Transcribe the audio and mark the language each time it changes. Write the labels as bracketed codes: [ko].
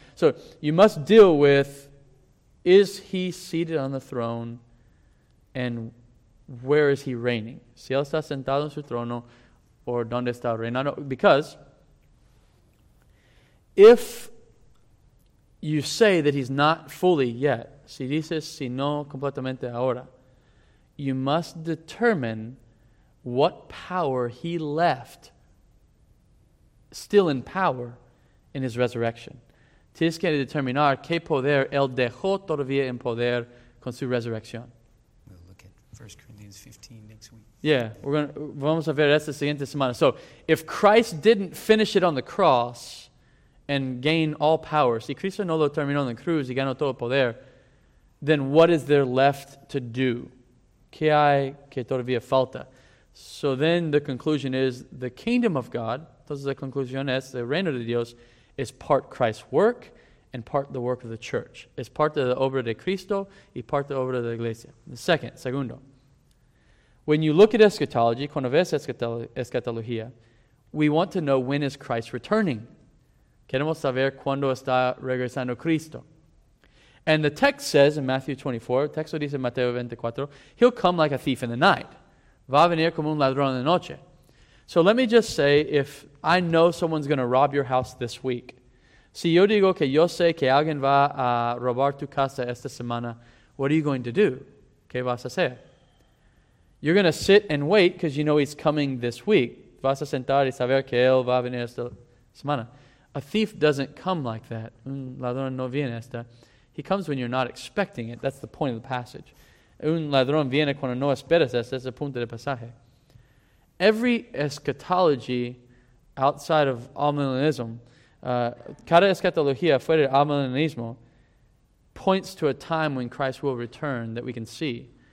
[en] So you must deal with, is he seated on the throne, and where is he reigning? [es] Si él está sentado en su trono, or donde está reinando? [en] Because if you say that he's not fully yet, [es] si dices si no completamente ahora, [en] you must determine what power he left still in power in his resurrection. [es] Tienes que determinar qué poder él dejó todavía en poder con su resurrección. [en] We'll look at 1 Corinthians 15 next week. [es] Yeah, vamos a ver esta siguiente semana. [en] So, if Christ didn't finish it on the cross and gain all power, [es] si Cristo no lo terminó en la cruz y ganó todo poder, [en] then what is there left to do? [es] ¿Qué hay que todavía falta? [en] So then the conclusion is the kingdom of God, [es] entonces la conclusión es el reino de Dios, [en] is part Christ's work and part the work of the church. [es] Es parte de la obra de Cristo y parte de la obra de la iglesia. [en] Segundo, when you look at eschatology, [es] cuando ves eschatología, [en] we want to know when is Christ returning. [es] Queremos saber cuándo está regresando Cristo. [en] And the text says in Matthew 24, [es] el texto dice en Mateo 24, [en] he'll come like a thief in the night. [es] Va a venir como un ladrón en la noche. [en] So let me just say, if I know someone's going to rob your house this week, [es] si yo digo que yo sé que alguien va a robar tu casa esta semana, [en] what are you going to do? [es] ¿Qué vas a hacer? [en] You're going to sit and wait because you know he's coming this week. [es] Vas a sentar y saber que él va a venir esta semana. [en] A thief doesn't come like that. [es] Un ladrón no viene esta. [en] He comes when you're not expecting it. That's the point of the passage. [es] Un ladrón viene cuando no esperas esto. Es el punto del pasaje. [en] Every eschatology outside of amillennialism, [es] cada eschatología fuera del amillennialismo [en] points to a time when Christ will return that we can see.